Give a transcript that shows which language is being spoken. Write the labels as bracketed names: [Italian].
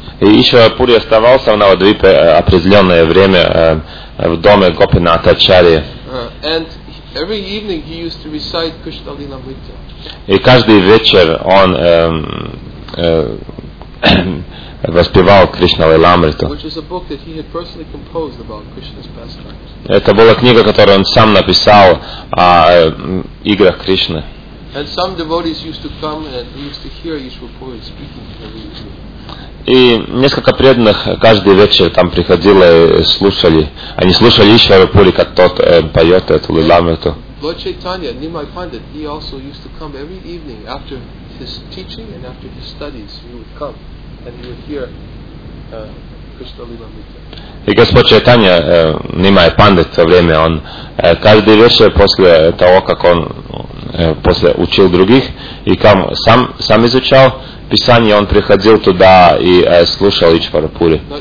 [Russian] И Ishwar Puri оставался в Навадвипе определенное время в доме Гопинатха Ачарьи. [English] And every evening he used to recite Krishna Lilamrita. [Russian] И каждый вечер он воспевал Кришна Лиламриту. [English] Which is a book that he had personally composed about Krishna's pastimes. [Russian] Это была книга, которую он сам написал о играх Кришны. [English] And some devotees used to come and used to hear Ishwar Puri speaking every evening. [Russian] И несколько преданных каждый вечер там приходило и слушали. Они слушали Ishwara Puri, как тот поет эту лиламриту. [English] Lord Chaitanya, Nimai Pandit, he also used to come every evening after his teaching and after his studies. He would come and he would hear Krishna Lilamrita. [Russian] И Господь Чайтанья, Нимай Пандит, в то время, он каждый вечер после того, как он после учил других, и там сам изучал Писание, он приходил туда и слушал Ishwara Puri.